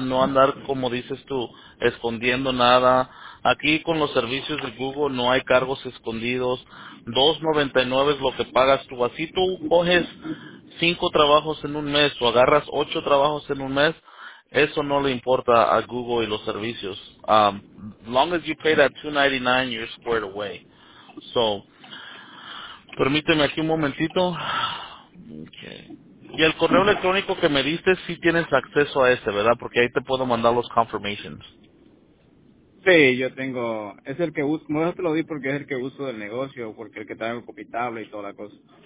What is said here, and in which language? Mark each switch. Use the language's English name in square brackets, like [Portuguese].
[Spanish] No andar, como dices tú, escondiendo nada. Aquí con los servicios de Google no hay cargos escondidos. $2.99 es lo que pagas tú. Así tú coges 5 trabajos en un mes o agarras 8 trabajos en un mes, eso no le importa a Google y los servicios. [English] Long as you pay that $2.99, you're squared away. [Spanish] So, permíteme aquí un momentito. Okay. Y el correo electrónico que me diste, sí tienes acceso a ese, ¿verdad? Porque ahí te puedo mandar los confirmations. Sí, yo tengo. Es el que uso. No, yo te lo di porque es el que uso del negocio, porque el que trae el copitable y toda la cosa.